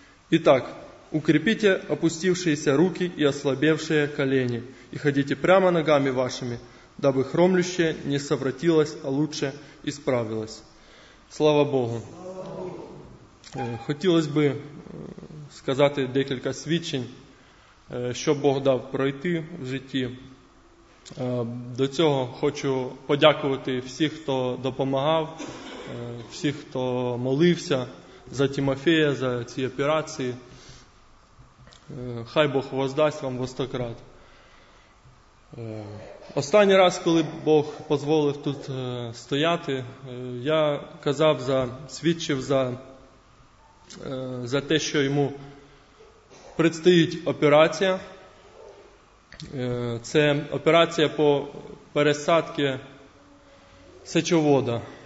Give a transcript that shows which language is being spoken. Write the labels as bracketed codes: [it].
[ru] Итак, укрепите опустившиеся руки и ослабевшие колени, и ходите прямо ногами вашими, дабы хромлющее не совратилось, а лучше исправилось. Слава Богу! Хотелось бы сказать несколько [uk] свідчень, [ru] что [uk] Бог дав пройти в житті. До цього хочу подякувати всіх, хто допомагав, всіх, хто молився за Тимофея, за ці операції. Хай Бог воздасть вам во сто крат. Останній раз, коли Бог дозволив тут стояти, я казав, свідчив за те, що йому предстоїть операція. Це операція по пересадці сечовода.